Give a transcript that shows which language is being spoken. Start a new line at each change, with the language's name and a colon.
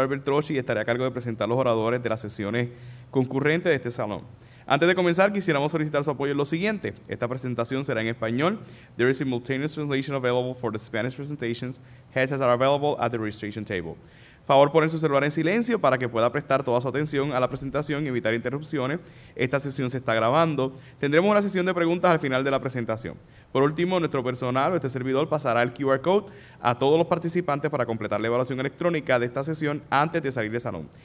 Spanish: Albert Trochi y estaré a cargo de presentar los oradores de las sesiones concurrentes de este salón. Antes de comenzar, quisiéramos solicitar su apoyo en lo siguiente. Esta presentación será en español.
English: There is simultaneous translation available for the Spanish presentations. Headsets are available at the registration table.
Spanish: Favor poner su celular en silencio para que pueda prestar toda su atención a la presentación y evitar interrupciones. Esta sesión se está grabando. Tendremos una sesión de preguntas al final de la presentación. Por último, nuestro personal, este servidor, pasará el QR code a todos los participantes para completar la evaluación electrónica de esta sesión antes de salir del salón.